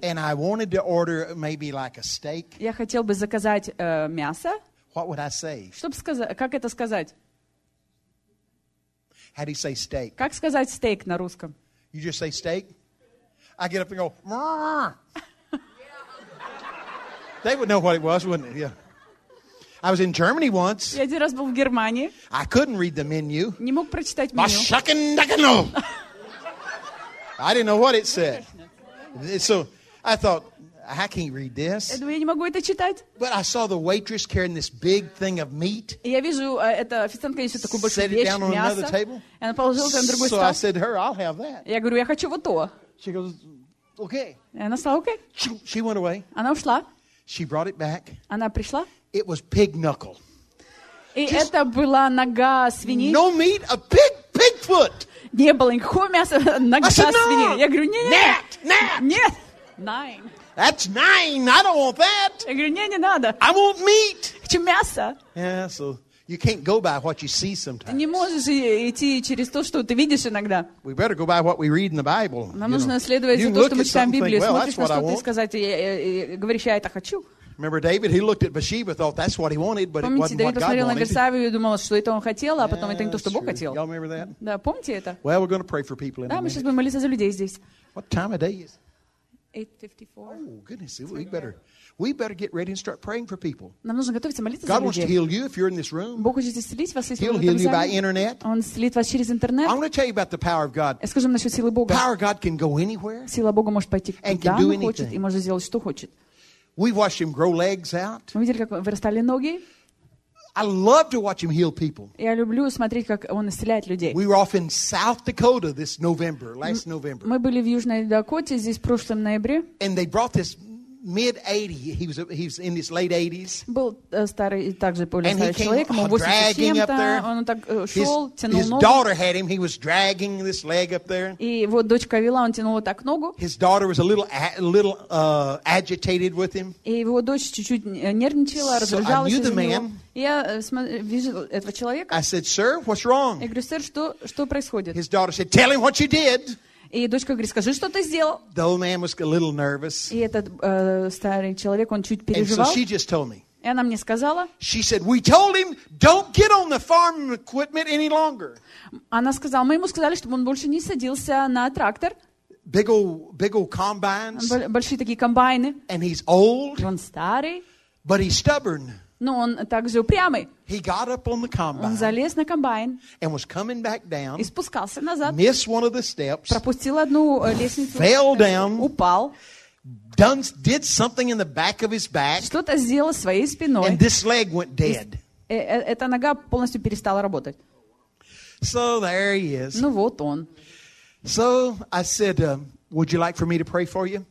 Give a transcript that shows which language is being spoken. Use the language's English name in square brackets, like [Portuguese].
[English] And I wanted to order maybe like a steak. [Russian] Я хотел бы заказать мясо. [English] What would I say? [Russian] Чтобы сказать, как это сказать? [English] How do you say steak? [Russian] Как сказать steak на русском? [English] You just say steak. I get up and go. They would know what it was, wouldn't they? Yeah. I was in Germany once. [Russian] Я один раз был в Германии. [English] I couldn't read the menu. [Russian] Не мог прочитать меню. [English] I didn't know what it said. So I thought, I can't read this. [Russian] Я думаю, я не могу это читать. [English] But I saw the waitress carrying this big thing of meat. [Russian] Я вижу, эта официантка несет такую большую вещь, мясо. [English] Set it down on another table. [Russian] И она положила это на другой стол. [English] So I said to her, "I'll have that." [Russian] Я говорю, я хочу вот то. [English] She goes, "Okay." [Russian] И она сказала, "Okay." [English] She went away. [Russian] Она ушла. [English] She brought it back. [Russian] Она пришла. [English] It was pig knuckle. [Russian] И [English] just [Russian] это была нога свиньи. [English] No meat, a pig foot. [Russian] Не было никакого мяса, нога свиньи. [English] No. [Russian] Я говорю, нет. Нет. Нет. [English] Nine. That's nine. I don't want that. [Russian] Я говорю, не надо. [English] I want meat. [Russian] Хочу мясо. [English] Yeah, so you can't go by what you see sometimes. [Russian] Ты не можешь идти через то, что ты видишь иногда. [English] We better go by what we read in the Bible. [Russian] Нам нужно следовать за то, что мы читаем в Библии. Смотришь на что-то и сказать, говоришь, я это хочу. [English] Remember David? He looked at Bathsheba, thought that's what he wanted, but [Russian] помните, [English] it wasn't David what God wanted. [Russian] Помните, David посмотрел на Версавию и думал, что это он хотел, а потом это не то, что Бог хотел. [English] Y'all remember that? [Russian] Да, помните это? [English] Well, we're going to pray for people in a minute. [Russian] Да, мы сейчас будем молиться за людей здесь. [English] What time of day is it? 8:54. Oh goodness, we better get ready and start praying for people. [Russian] Нам нужно готовиться молиться. [English] God wants to heal you if you're in this room. [Russian] Бог хочет исцелить вас, если вы в этом зале. [English] He'll heal you by internet. [Russian] Он исцелит вас через интернет. [English] I want to tell you about the power of God. [Russian] Я скажу вам насчет силы Бога. [English] Power of God can go anywhere. [Russian] Сила Бога может пойти куда он хочет и может сделать что хочет. [English] We've watched him grow legs out. [Russian] Мы видели, как вырастали ноги. [English] I love to watch him heal people. [Russian] Я люблю смотреть, как он исцеляет людей. [English] We were off in South Dakota this November, last November. [Russian] Мы были в Южной Дакоте здесь в прошлом ноябре. [English] And they brought this mid-80s. He was in his late 80s. [Russian] Был старый и также более старый человек, ему 80 с чем-то. Он так шел, тянул ногу. [English] His daughter had him. He was dragging this leg up there. [Russian] И вот дочка вела, он тянул вот так ногу. [English] His daughter was a little agitated with him. [Russian] И его дочь чуть-чуть нервничала, раздражалась из-за него. Я вижу этого человека. [English] I said, sir, what's wrong? [Russian] Я говорю, сэр, что происходит? [English] His daughter said, tell him what you did. [Russian] И дочка говорит, скажи, что ты сделал. [English] The old man was a little nervous. [Russian] И этот старый человек, он чуть переживал. [English] And so she just told me. [Russian] И она мне сказала. [English] She said, we told him, don't get on the farm equipment any longer. [Russian] Она сказала, мы ему сказали, чтобы он больше не садился на трактор. [English] Big old combines. [Russian] Большие такие комбайны. [English] And he's old. [Russian] Он старый. [English] But he's stubborn. [Russian] Но он также упрямый. [English] He got up on the combine. [Russian] Он залез на комбайн. [English] And was coming back down. [Russian] И спускался назад. [English] Missed one of the steps. [Russian] Пропустил одну лестницу. [English] Fell down. [Russian] Упал. [English] Did something in the back of his back. [Russian] Что-то сделал своей спиной. [English] And this leg went dead. [Russian] Эта нога полностью перестала работать. [English] So there he is. [Russian] Ну вот он. [English] So I said, would you like for me to pray for you?